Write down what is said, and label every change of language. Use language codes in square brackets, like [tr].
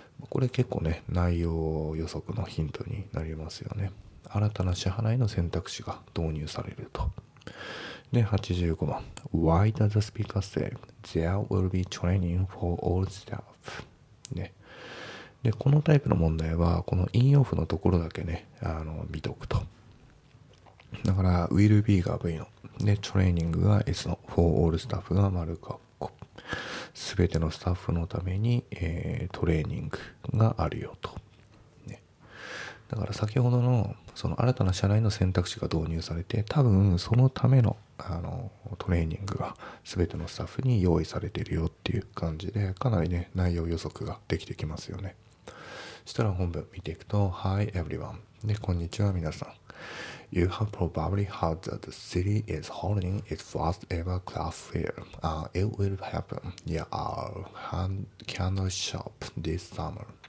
[ja] これ結構ね、内容予測のヒントになりますよね。新たな支払いの選択肢が導入されると。で85番、 [en] Why does the speaker say there will be training for all staff? [ja] ね。でこのタイプの問題はこの in of のところだけね、見とくと。だから [en] will be [ja] が V の、で training が S の、 [en] for all staff [ja] が丸括弧、すべてのスタッフのために、トレーニングがあるよと。だから先ほどのその新たな社内の選択肢が導入されて、多分そのため の、 トレーニングが全てのスタッフに用意されているよっていう感じで、かなりね内容予測ができてきますよね。したら本文見ていくと、 [en] Hi everyone、 [ja] でこんにちは皆さん。 [en] You have probably heard that the city is holding its first ever craft fair、it will happen near our candle shop this summer。